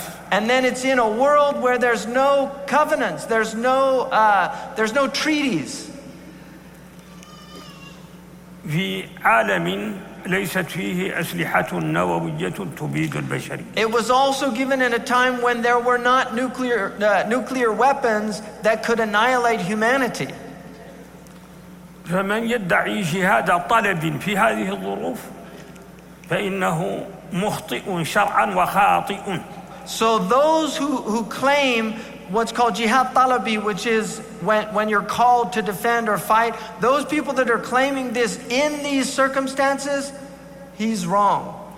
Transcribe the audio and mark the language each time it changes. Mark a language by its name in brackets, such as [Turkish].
[English] And then it's in a world where there's no covenants, there's no treaties. [Arabic] في عالم ليست فيه أسلحة نووية تبيد البشرية. [English] It was also given in a time when there were not nuclear weapons that could annihilate humanity. [Arabic] فمن يدعي جهاد طلب في هذه الظروف فإنه مخطئ شرعا وخاطئ. [English] So those who claim what's called jihad talabi, which is when you're called to defend or fight, those people that are claiming this in these circumstances, he's wrong.